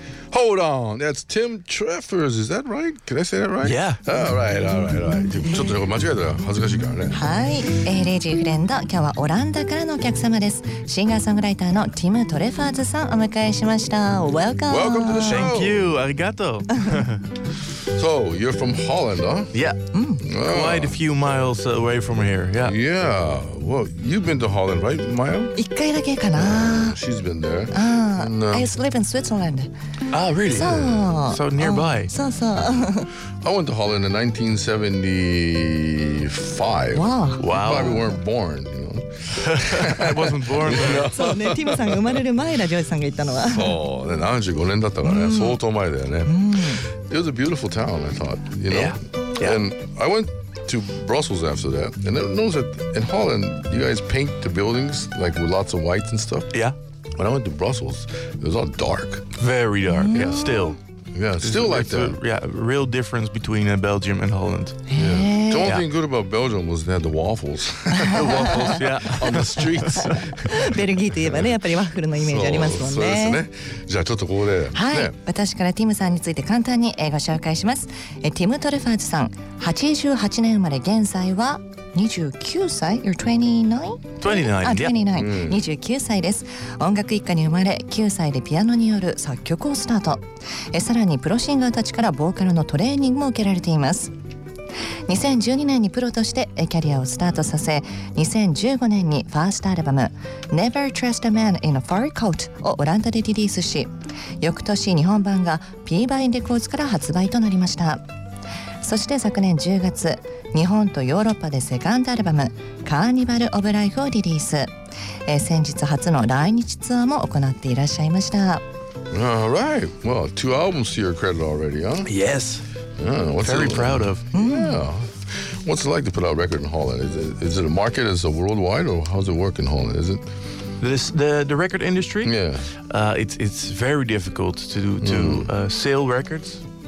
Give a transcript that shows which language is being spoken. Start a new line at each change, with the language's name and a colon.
English: Hold on, that's Tim Treffers, is that right? Can I say that right? Yeah. All right.
Japanese: ちょっと間違えたら恥ずかしいからね。はい、レイジーフレンド、今日はオランダからのお客様です。シンガーソングライターのティム・トレファーズさんお迎えしました。
English: Welcome! Welcome to the show! Thank you!
Japanese: ありがとう!
English: So, you're from Holland, huh? Yeah. Quite a few miles away from here, yeah. Yeah. Well, you've been to Holland, right, Maya?
Japanese: 一回だけかな。
English: She's been there. I used to live in Switzerland. Ah, really? So nearby. So. I went to Holland in 1975. Wow. Probably weren't born. I wasn't born.
Japanese: そうね、ティムさんが生まれる前だ、ジョージさんが言ったのは。そうね、75年だったからね、相当前だよね。
English: It was a beautiful town, I thought, you know? Yeah. And I went to Brussels after that, and I noticed that in Holland, you guys paint the buildings, like with lots of whites and stuff. Yeah. When I went to Brussels, it was all dark. Very dark, yeah, still. Yeah, still it's, like it's that. A real difference between Belgium and Holland. Yeah. The only thing good about Belgium was they had the waffles. The waffles, yeah. On the streets.
Japanese: ベルギーといえばね、やっぱりワッフルのイメージありますもんね。そうですね。じゃあちょっとここで。はい、ね。私からティムさんについて簡単にご紹介します。ティム・トレファーズさん、88年生まれ、現在は29歳 ?
English: You're 29?
Japanese: 29、29歳です。音楽一家に生まれ、9歳でピアノによる作曲をスタート。さらにプロシンガーたちからボーカルのトレーニングも受けられています。 2012年にプロとしてキャリアをスタートさせ、2015年にファーストアルバム Never Trust a Man in a Fur Coat をオランダでリリースし、翌年日本版が P バインレコーズから発売となりました。そして昨年10月、日本とヨーロッパでセカンドアルバム Carnival of Life をリリース。先日初の来日ツアーも行っていらっしゃいました。
English: All right. Well, two albums to your credit already, huh? Yes. Yeah, very proud of. Yeah. What's it like to put out a record in Holland? Is it a market? Is it worldwide? Or how does it work in Holland? Is it... The record industry? Yeah. It's very difficult to sell records.